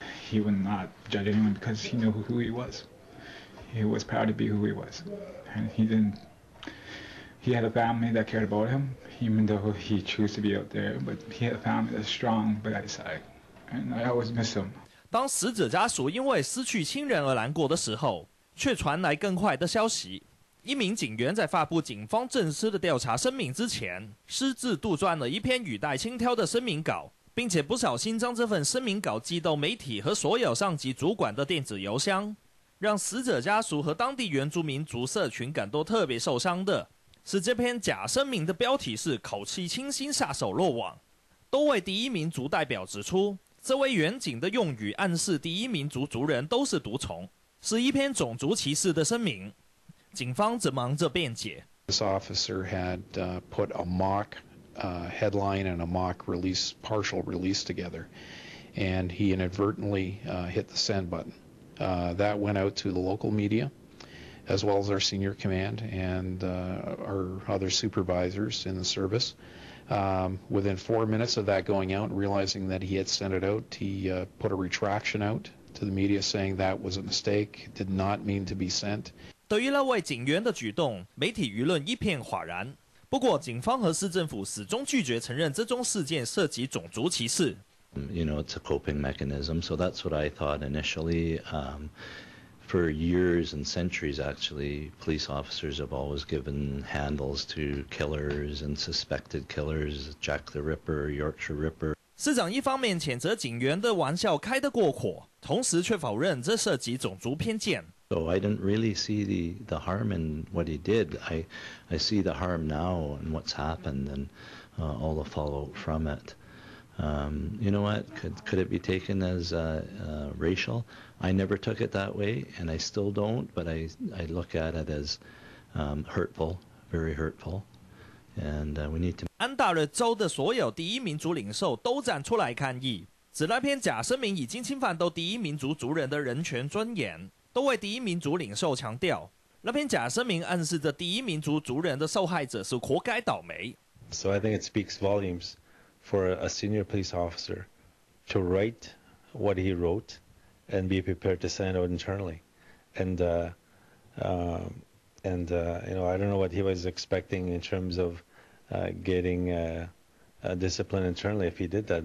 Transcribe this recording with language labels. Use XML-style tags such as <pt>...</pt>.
<en>He would not judge anyone because he knew who he was. He was proud to be who he was, and he didn't. He had a family that cared about him. Even though he chose to be out there, but he had family that's strong by his side, and I always miss him.</en> <zh>当死者家属因为失去亲人而难过的时候，却传来更坏的消息：一名警员在发布警方正式的调查声明之前，私自杜撰了一篇语带轻佻的声明稿，并且不小心将这份声明稿寄到媒体和所有上级主管的电子邮箱，让死者家属和当地原住民族社群感到特别受伤的。是这篇假声明的标题是口气清新杀手落网。多位第一民族代表指出，这位远景的用语暗示第一民族族人都是毒虫，是一篇种族歧视的声明。警方则忙着辩解。</zh> <en>This officer had put a mock headline and a mock release, partial release together, and he inadvertently hit the send button. That went out to the local media. As well as our senior command and our other supervisors in the service. Within 4 minutes of that going out, realizing that he had sent it out, he put a retraction out to the media saying that was a mistake, did not mean to be sent.</en> <zh>对于那位警员的举动，媒体舆论一片哗然。不过警方和市政府始终拒绝承认这宗事件涉及种族歧视。</zh> <en>You know, it's a coping mechanism, so that's what I thought initially. For years and centuries, actually, police officers have always given handles to killers and suspected killers, Jack the Ripper, Yorkshire Ripper.</en> <zh>市长一方面谴责警员的玩笑开得过火，同时却否认这涉及种族偏见。</zh> <en>So I didn't really see the harm in what he did. I see the harm now and what's happened and all the fallout from it. You know what? Could it be taken as racial? I never took it that way, and I still don't. But I look at it as hurtful, very hurtful. And we need to.</en> <zh>安大略州的所有第一民族领袖都站出来抗议，指那篇假声明已经侵犯到第一民族族人的人权尊严，都为第一民族领袖强调，那篇假声明暗示着第一民族族人的受害者是活该倒霉。</zh> <en>So I think it speaks volumes. For a senior police officer to write what he wrote and be prepared to send out internally. I don't know what he was expecting in terms of getting discipline internally if he did that.</en>